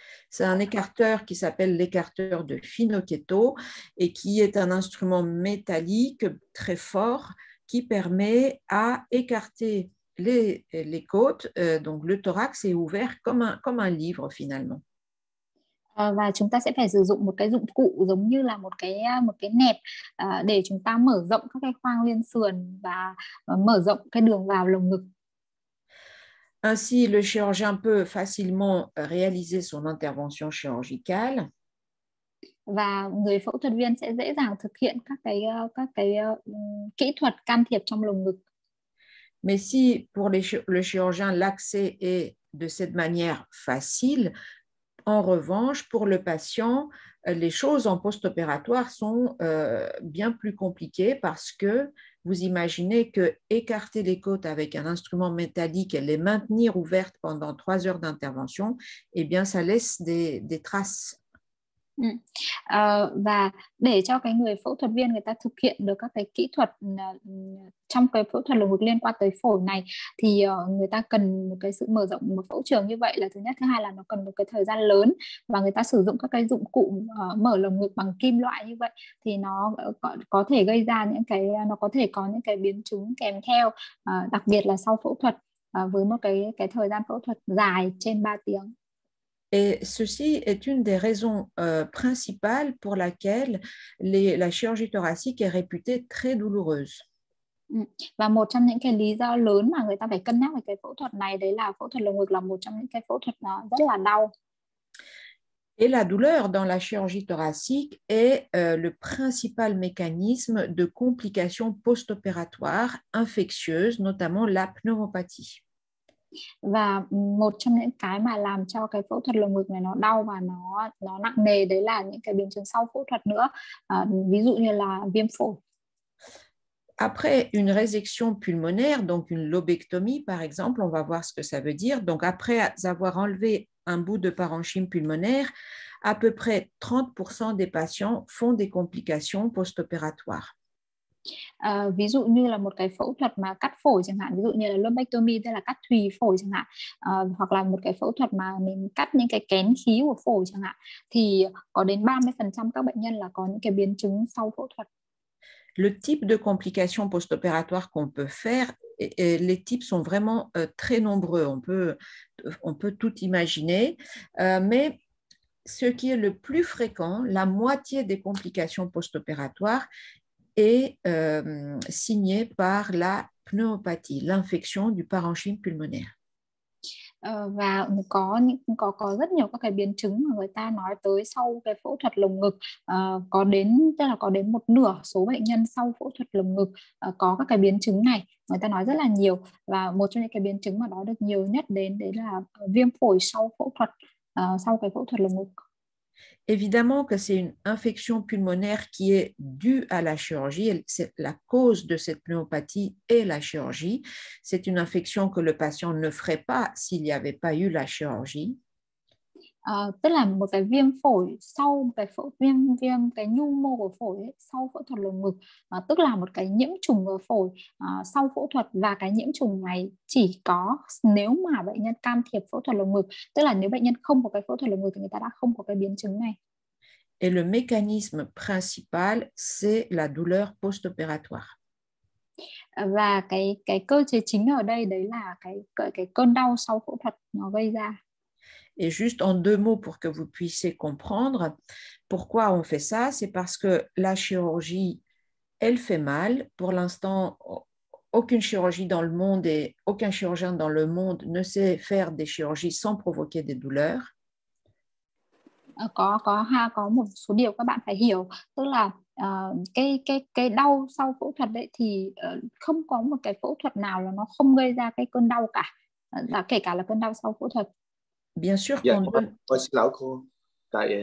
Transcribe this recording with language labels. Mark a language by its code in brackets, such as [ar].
[fr] C'est un écarteur qui s'appelle l'écarteur de Fino-Kéto et qui est un instrument métallique très fort qui permet à écarter les côtes. Donc le thorax est ouvert comme un livre finalement. [vi] Và chúng ta sẽ phải sử dụng một cái dụng cụ giống như là một cái nẹp để chúng ta mở rộng các cái khoang liên sườn và mở rộng cái đường vào lồng ngực. [fr] Ainsi, le chirurgien peut facilement réaliser son intervention chirurgicale. [vi] Và người phẫu thuật viên sẽ dễ dàng thực hiện các cái kỹ thuật can thiệp trong lồng ngực. [fr] Mais si pour le chirurgien, l'accès est de cette manière facile, en revanche, pour le patient, les choses en post-opératoire sont bien plus compliquées parce que vous imaginez que écarter les côtes avec un instrument métallique et les maintenir ouvertes pendant 3 heures d'intervention, eh bien, ça laisse des traces. [vi] Và để cho cái người phẫu thuật viên người ta thực hiện được các cái kỹ thuật trong cái phẫu thuật lồng ngực liên quan tới phổi này thì người ta cần một cái sự mở rộng, một phẫu trường như vậy là thứ nhất, thứ hai là nó cần một cái thời gian lớn, và người ta sử dụng các cái dụng cụ mở lồng ngực bằng kim loại như vậy thì nó có thể gây ra những cái nó có thể có những cái biến chứng kèm theo, đặc biệt là sau phẫu thuật, với một cái thời gian phẫu thuật dài trên 3 tiếng. [fr] Et ceci est une des raisons principales pour laquelle la chirurgie thoracique est réputée très douloureuse. [vi] Và một trong những cái lý do lớn mà người ta phải cân nhắc về cái phẫu thuật này đấy là phẫu thuật lồng ngực là một trong những cái phẫu thuật rất là đau. [fr] Et la douleur dans la chirurgie thoracique est le principal mécanisme de complications post-opératoires infectieuses, notamment la pneumopathie. [vi] Và một trong những cái mà làm cho cái phẫu thuật lồng ngực này nó đau và nó nặng nề đấy là những cái biến chứng sau phẫu thuật nữa, ví dụ như là viêm phổi. [fr] Après une résection pulmonaire, donc une lobectomie par exemple, on va voir ce que ça veut dire. Donc après avoir enlevé un bout de parenchyme pulmonaire, à peu près 30% des patients font des complications post-opératoires. [vi] Ví dụ như là một cái phẫu thuật mà cắt phổi chẳng hạn, ví dụ như là lobectomy tức là cắt thùy phổi chẳng hạn, hoặc là một cái phẫu thuật mà mình cắt những cái kén khí của phổi chẳng hạn, thì có đến 30% các bệnh nhân là có những cái biến chứng sau phẫu thuật. [fr] Le type de complications post-opératoires qu'on peut faire, et les types sont vraiment très nombreux. On peut tout imaginer. Mais ce qui est le plus fréquent, la moitié des complications post-opératoires est signée par la pneumopathie, l'infection du parenchyme pulmonaire. [vi] Và có rất nhiều các cái biến chứng mà người ta nói tới sau cái phẫu thuật lồng ngực, có đến tức là có đến một nửa số bệnh nhân sau phẫu thuật lồng ngực có các cái biến chứng này, người ta nói rất là nhiều, và một trong những cái biến chứng mà nói được nhiều nhất đến đấy là viêm phổi sau phẫu thuật, sau cái phẫu thuật lồng ngực. [fr] Évidemment que c'est une infection pulmonaire qui est due à la chirurgie. C'est la cause de cette pneumopathie est la chirurgie. C'est une infection que le patient ne ferait pas s'il n'y avait pas eu la chirurgie. [vi] Tức là một cái viêm phổi sau cái phẫu viêm viêm cái nhu mô của phổi ấy, sau phẫu thuật lồng ngực, tức là một cái nhiễm trùng ở phổi sau phẫu thuật, và cái nhiễm trùng này chỉ có nếu mà bệnh nhân can thiệp phẫu thuật lồng ngực, tức là nếu bệnh nhân không có cái phẫu thuật lồng ngực thì người ta đã không có cái biến chứng này. [fr] Et le mécanisme principal, c'est la douleur post-opératoire. [vi] Và cái cơ chế chính ở đây đấy là cái cơn đau sau phẫu thuật nó gây ra. [fr] Et juste en deux mots pour que vous puissiez comprendre pourquoi on fait ça, c'est parce que la chirurgie, elle fait mal. Pour l'instant, aucune chirurgie dans le monde et aucun chirurgien dans le monde ne sait faire des chirurgies sans provoquer des douleurs. [vi] Có một số điều các bạn phải hiểu, tức là cái đau sau phẫu thuật đấy thì không có một cái phẫu thuật nào là nó không gây ra cái cơn đau cả, là kể cả là cơn đau sau phẫu thuật. [fr] Bien sûr [vi] Dạ, [fr] qu'on donne. [vi] con xin lỗi cô, tại